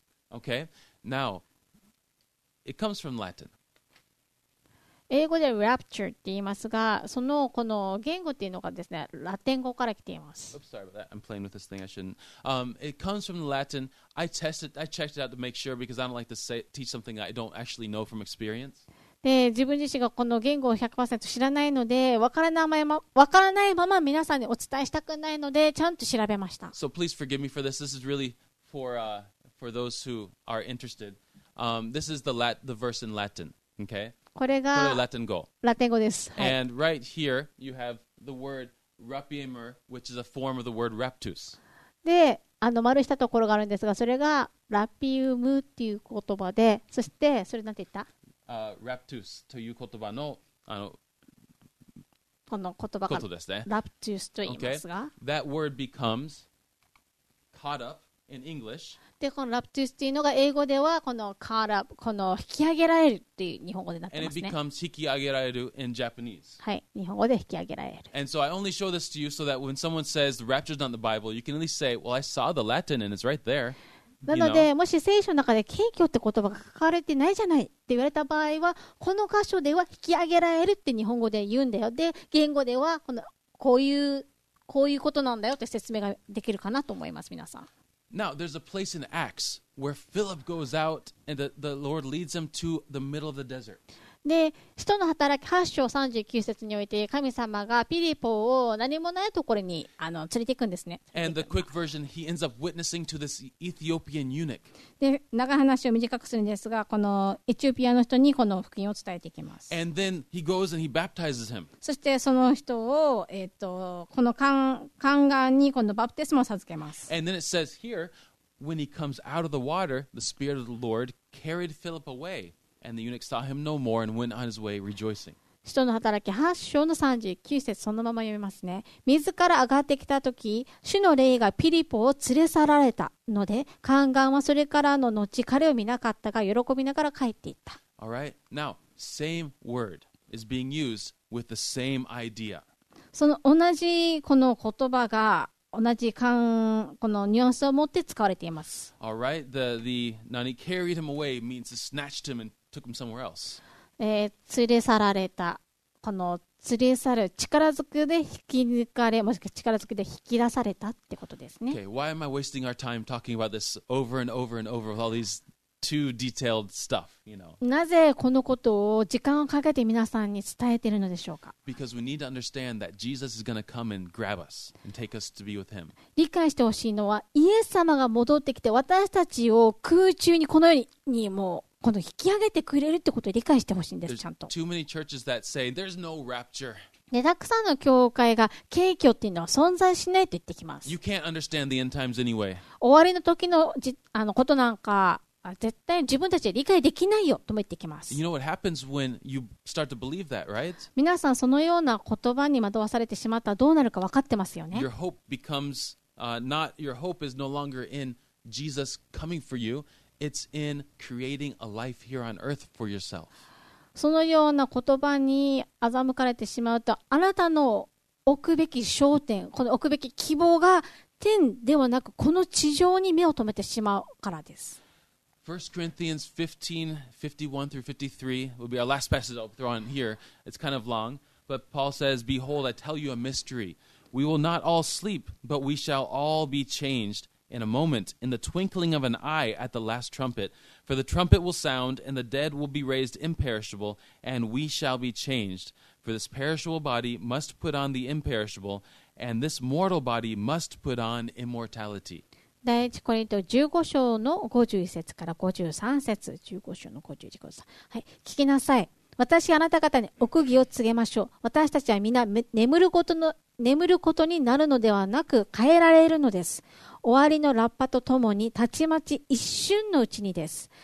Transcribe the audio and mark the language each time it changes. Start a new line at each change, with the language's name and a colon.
English: Okay, now it comes from Latin.
Japanese: 英語で rapture って言いますが、そのこの言語っていうのがですね、ラテン語から来ています。
English: Oops, sorry about that. I'm playing with this thing. I shouldn't. It comes from the Latin. I checked it out to make sure because I don't like to say, teach something I don't actually know from experience.
Japanese: で自分自身がこの言語を 100% 知らないので、分からないまま皆さんにお伝えしたくないので、ちゃんと調べました。
English: So please forgive me for this. This is really for those who are interested. This is the verse in Latin. Okay?
Japanese: これがラテン語。ラテン語です。はい。 And right here you have the word rapiemur, which is a form of the word raptus. で、丸したところがあるんですが、それがラピウムっていう言葉で、そしてそれなんて言った？ラプトゥスという言葉の、この言葉がことですね。ラプトゥスと言いますが、
English: okay. That word becomes caught up in English.
Japanese: で、このラプトゥスというのが英語ではこの caught up、この引き上げられるっていう日本語でなってますね。
English: And it becomes 引き上げられる in Japanese.
Japanese: はい、日本語で引き上げられる。
English: And so I only show this to you so that when someone says the rapture is not in the Bible, you can at least say, well, I saw the Latin and it's right there.
Japanese: なので、もし聖書の中で景況って言葉が書かれてないじゃないって言われた場合は、この箇所では引き上げられるって日本語で言うんだよ、で言語では こういうことなんだよって説明ができるかなと思います。皆さん、
English: Now there's a place in Acts where Philip goes out and the Lord leads him to the middle of the desert。
Japanese: で、使徒の働き8章39節において、神様がフィリポを何もないところに連れていくんですね。
English: And the quick version, he ends up witnessing to this Ethiopian eunuch.
Japanese: で、長話を短くするんですが、このエチオピアの人にこの福音を伝えていきます。
English: And then he goes and he baptizes him.
Japanese: そしてその人を、この宦官にこのバプテスマを授けます。
English: And then it says here, when he comes out of the water, the Spirit of the Lord carried Philip away, and the eunuch saw him no more and went on his way rejoicing.
Japanese: 使徒の働き8章の39節そのまま読みますね。自ら上がってきたとき、主の霊がピリポを連れ去られたので、宦官はそれからの後彼を見なかったが喜びながら帰っていった。
English: All right. Now, same word is being used with the same idea.
Japanese: その同じこの言葉が同じこのニュアンスを持って使われています。
English: All right. The 何 carried him away means to snatch him and took him somewhere else.
Japanese: 連れ去られた、この連れ去る、力づくで引き抜かれ、もしくは力づくで引き出されたってことですね。
English: Okay, why am I wasting our time talking about this over and over and over with all these too detailed stuff, you know?
Japanese: なぜこのことを時間をかけて皆さんに伝えているのでしょうか。
English: Because we need to understand that Jesus is going to come and grab us and take us to be with him.
Japanese: 理解してほしいのは、イエス様が戻ってきて私たちを空中にこのように、にもう、この引き上げてくれるってことを理解してほしいんです、ちゃんと。
English: Too many churches that say, there's no rapture.
Japanese: で、たくさんの教会が景況っていうのは存在しないと言ってきます。
English: You can't understand the end times anyway.
Japanese: 終わりの時の、ことなんか絶対自分たちは理解できないよとも言ってきます。
English: You know what happens when you start to believe that, right?
Japanese: 皆さん、そのような言葉に惑わされてしまったらどうなるか分かってますよね。
English: Your hope becomes, your hope is no longer in Jesus coming for you. It's in creating a life here on earth for yourself.
Japanese: そのような言葉に欺かれてしまうと、あなたの置くべき焦点、この置くべき希望が天ではなくこの地上に目を留めてしまうからです。
English: 1 Corinthians 15:51-53 will be our last passage I'll throw on here. It's kind of long, but Paul says, "Behold, I tell you a mystery. We will not all sleep, but we shall all be changed." In a moment, in the twinkling of an eye, at the last trumpet. For the trumpet will sound, and the dead will be raised imperishable, and we shall be changed. For this perishable body must put on the imperishable, and this mortal body must put on immortality.
Japanese: 第一コリント15章の51節から53節。15章の51節。はい、聞きなさい。私あなた方に奥義を告げましょう。私たちはみんな眠ることになるのではなく変えられるのです。終わりのラッパとともにたちまち一瞬のうちにです。